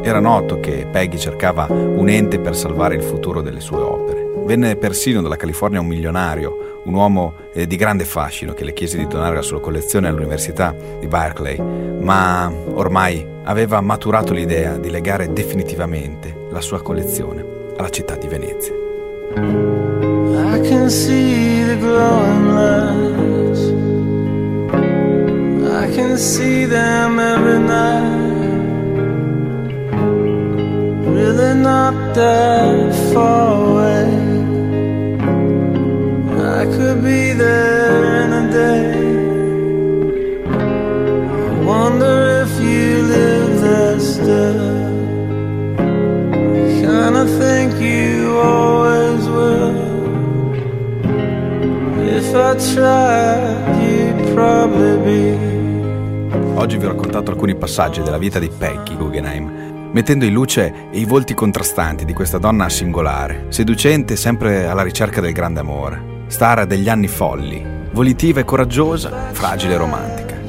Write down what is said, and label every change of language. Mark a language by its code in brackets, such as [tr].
[it] Era noto che Peggy cercava un ente per salvare il futuro delle sue opere. Venne persino dalla California un milionario, un uomo di grande fascino, che le chiese di donare la sua collezione all'università di Berkeley, ma ormai aveva maturato l'idea di legare definitivamente la sua collezione alla città di Venezia. [en] I can see the glowing lights, I can see them every night, really not that far away, I could be there in a day. I wonder if you live there still, I kinda think you always will. If I tried, you'd probably be. [it] Oggi vi ho raccontato alcuni passaggi della vita di Peggy Guggenheim. mettendo in luce i volti contrastanti di questa donna singolare, seducente sempre alla ricerca del grande amore, star degli anni folli, volitiva e coraggiosa, fragile e romantica.